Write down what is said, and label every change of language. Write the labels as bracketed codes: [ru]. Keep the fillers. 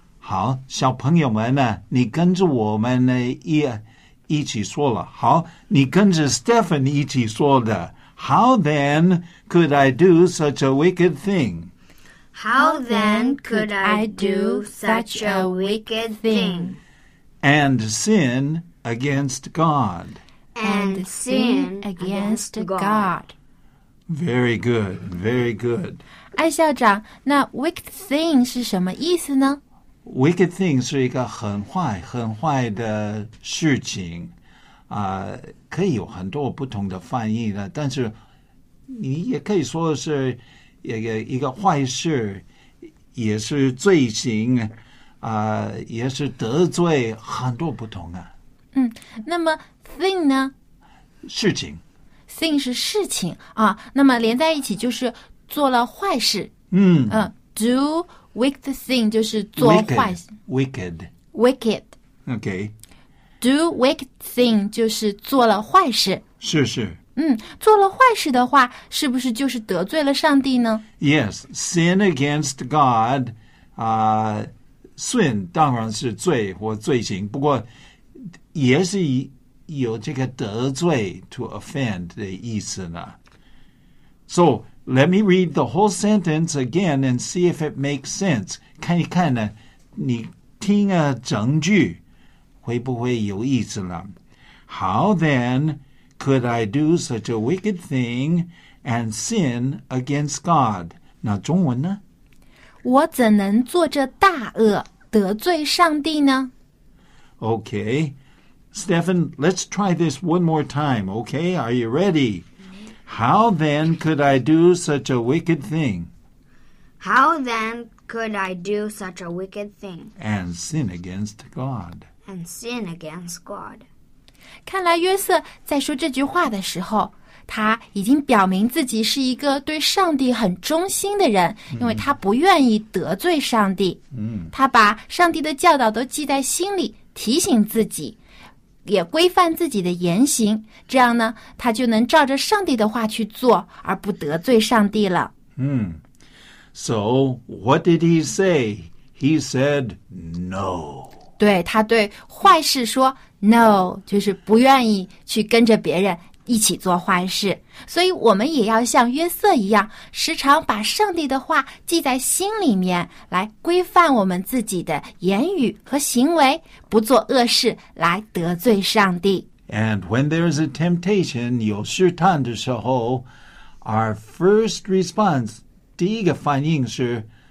[zh] 好，小朋友们呢，你跟着我们呢一一起说了。好，你跟着 Stephen 一起说的。 [en] how then could I do such a wicked thing? How then could I do such a wicked thing? And sin against God. And, and sin against, against God. Very good, very good. [zh] 艾校长,那 wicked thing 是什么意思呢? Wicked thing 是一个很坏,很坏的事情。啊、呃，可以有很多不同的翻译的，但是你也可以说是一个一个坏事，也是罪行，啊、呃，也是得罪很多不同啊。嗯，那么 thing 呢？事情。 thing 是事情啊，那么连在一起就是做了坏事。嗯嗯、 [en] uh,，do wicked thing [zh] 就是做坏事。 [en] wicked。 wicked, wicked.。 OK。 [zh] do wicked thing 就是做了坏事。是是。嗯，做了坏事的话，是不是就是得罪了上帝呢？ [en] Yes, sin against God， [zh] 啊、uh,，sin 当然是罪或罪行，不过也是有这个得罪 [en] to offend [zh] 的意思呢。 [en] So let me read the whole sentence again and see if it makes sense。 [zh] 看一看呢，你听啊，整句。会不会有意思呢？ [en] How then could I do such a wicked thing and sin against God？ [zh] 那中文呢？我怎能做这大恶，得罪上帝呢 [en] ？Okay. Stephen, let's try this one more time, okay? Are you ready? How then could I do such a wicked thing? How then could I do such a wicked thing? And sin against God and sin against God. [zh] 看来约瑟在说这句话的时候，他已经表明自己是一个对上帝很忠心的人，因为他不愿意得罪上帝。嗯，他把上帝的教导都记在心里，提醒自己，也规范自己的言行。这样呢，他就能照着上帝的话去做，而不得罪上帝了。嗯， [en] So what did he say? He said no. [zh] 对他对坏事说 no，就是不愿意去跟着别人一起做坏事。所以我们也要像约瑟一样，时常把上帝的话记在心里面，来规范我们自己的言语和行为，不做恶事，来得罪上帝。 [en] And when there is a temptation， [zh] 约瑟谈到之后， [en] Our first response， [zh] 第一个反应是。